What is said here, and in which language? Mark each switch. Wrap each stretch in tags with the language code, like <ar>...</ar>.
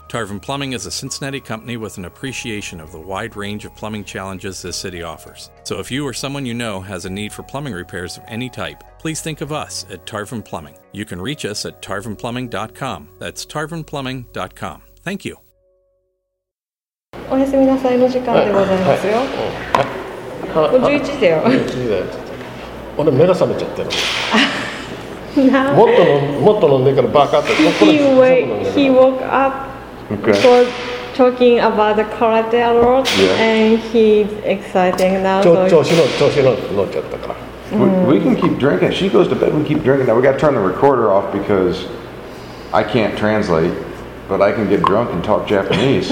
<en>Tarvin Plumbing is a Cincinnati company with an appreciation of the wide range of plumbing challenges this city offers. So if you or someone you know has a need for plumbing repairs of any type, please think of us at Tarvin Plumbing. You can reach us at tarvinplumbing.com. That's tarvinplumbing.com. Thank you.</en> <ja>おやすみなさいの時間でございますよ。はいはい、もう11時だよ。俺目が覚めちゃってる。もっと飲んでからバカって。</ja> <en>He woke up for talking about the karate a lot and he's exciting now.</en> <ja>調子乗っちゃったから。</ja> <en>We can keep drinking. She goes to bed. We keep drinking. Now we got to turn the recorder off because I can't translate. But I can get drunk and talk Japanese.</en>